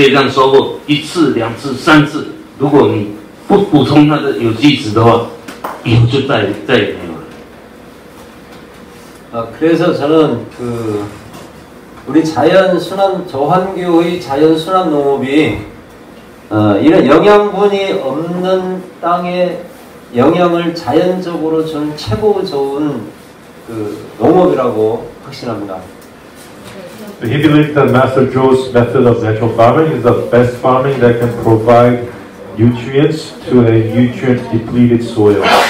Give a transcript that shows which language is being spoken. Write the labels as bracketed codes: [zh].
[zh] 就是说不管你环境再好，然后你可以这样收获一次、两次、三次，如果你 不补充它的有机质的话，以后就再也没有了。 [ko] 그래서 저는 그 우리 자연 순환 저환기후의 자연 순환 농업이 이런 영양분이 없는 땅에 영양을 자연적으로 준 최고 좋은 그 농업이라고 확신합니다. [en] He believes that Master Zhou's method of natural farming is the best farming that can provide nutrients to a nutrient depleted soil.